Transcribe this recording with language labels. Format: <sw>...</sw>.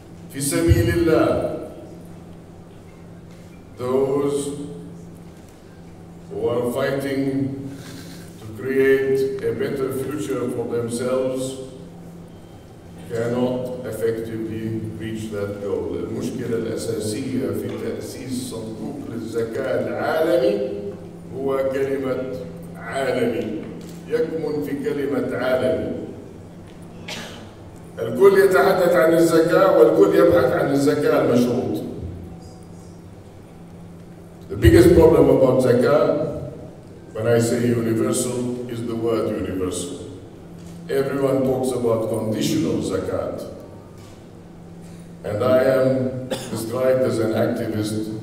<en>Fi sabilillah, those who are fighting to create a better future for themselves cannot effectively reach that goal.</en> <ar>المشكلة الأساسية في تأسيس صندوق للزكاة العالمي هو كلمة عالمي. يكمن في كلمة عالمي. الكل يتحدث عن الزكاة والكل يبحث عن الزكاة المشروط.</ar> <en>The biggest problem about زكاة, when I say universal, is the word universal. Everyone talks about conditional zakat. And I am described as an activist.</en>